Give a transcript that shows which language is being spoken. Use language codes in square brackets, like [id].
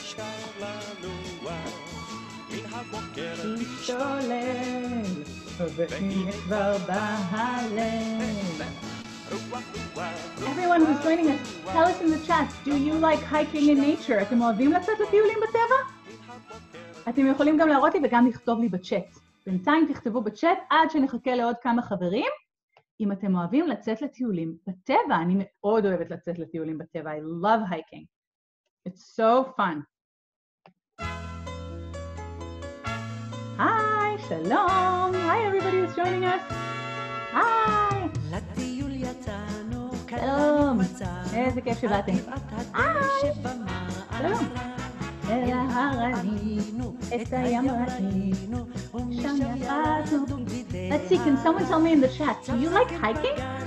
[en] Everyone who's joining us, tell us in the chat, do you like hiking in nature? [he] אתם אוהבים לצאת לטיולים בטבע? אתם יכולים גם להראות לי וגם לכתוב לי בצ'אט. בינתיים תכתבו בצ'אט עד שנחכה לעוד כמה חברים. אם אתם אוהבים לצאת לטיולים בטבע, אני מאוד אוהבת לצאת לטיולים בטבע. [en] I love hiking. It's so fun. [he] היי, שלום. היי, [en] everybody who's joining us. [he] היי. לטיול יצאנו, שלום. איזה כיף שבאתם. היי. שלום. אל ההר עלינו, את הים ראינו, ומשם יפתנו. [en] Let's see, can someone tell me in the chat, do you like hiking?